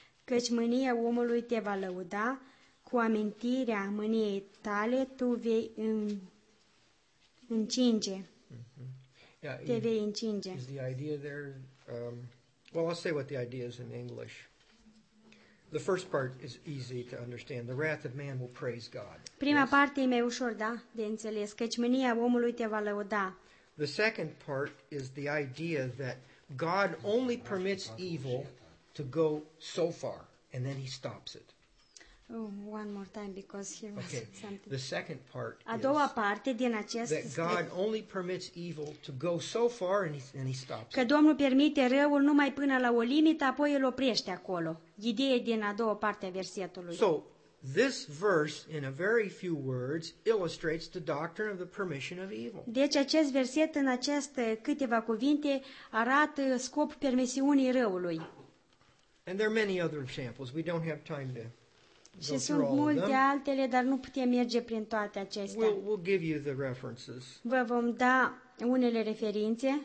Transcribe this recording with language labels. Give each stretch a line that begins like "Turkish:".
Romanian: Căci mânia omului te va lăuda, cu amintirea mâniei tale tu vei încinge. Mm-hmm. Yeah, te vei încinge.
English: Is the idea there? Well, I'll say what the idea is in English. The first part is easy to understand. The wrath of man will praise God.
Romanian: Prima parte e mai ușor, da, de înțeles, căci mânia omului te va lăuda.
English: The second part is the idea that God only permits evil to go so far and then he stops it. Oh, one more time because here was something. The second part
Romanian: a doua parte din acest
English: that God only permits evil to go so far and he stops.
Romanian: Că Domnul permite răul numai până la o limită, apoi îl oprește acolo. Ideea din a doua parte a versetului.
English: So, this verse in a very few words illustrates the doctrine of the permission of evil.
Romanian: Deci acest verset în aceste câteva cuvinte arată scopul permisiunii răului.
English: And there are many other examples. We don't have time to.
Romanian: Și sunt multe altele, dar nu putem merge prin toate acestea.
English: We'll give you the references.
Romanian: Vă vom da unele referințe.